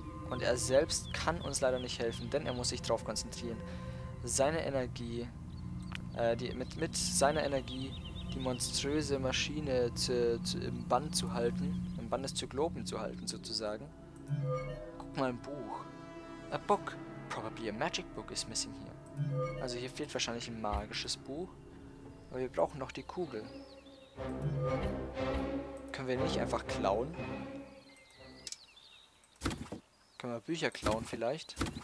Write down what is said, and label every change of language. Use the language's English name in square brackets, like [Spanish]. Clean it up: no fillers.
[German] Und er selbst kann uns leider nicht helfen, denn er muss sich darauf konzentrieren. Seine Energie, mit seiner Energie die monströse Maschine im Bann zu halten, im Bann des Zyklopen zu halten sozusagen. Guck mal, ein Buch. [English] A book. Probably a magic book is missing here. [German] Also hier fehlt wahrscheinlich ein magisches Buch. Aber wir brauchen noch die Kugel. Können wir nicht einfach klauen? Können wir Bücher klauen vielleicht?